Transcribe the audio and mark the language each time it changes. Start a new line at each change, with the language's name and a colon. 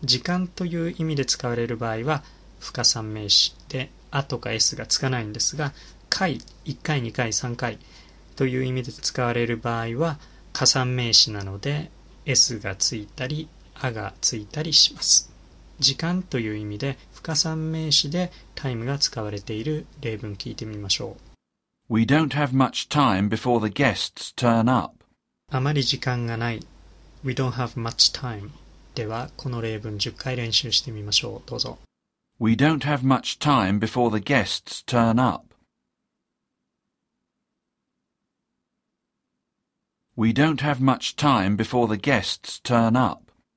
Japanese: 時間という意味で使われる場合は、不可算名詞で、あとか S がつかないんですが、回、1回、2回、3回という意味で使われる場合は、加算名詞なので、S がついたり、あがついたりします。時間という意味で、不可算名詞で、time が使われている例文聞いてみましょう。
English: We don't have much time before the guests turn up.
Japanese: あまり時間がない。
English: We don't have much time.
Japanese: では、この例文10回練習してみましょう。どうぞ。
English: We don't have much time before the guests turn up. We don't have much time before the guests turn up.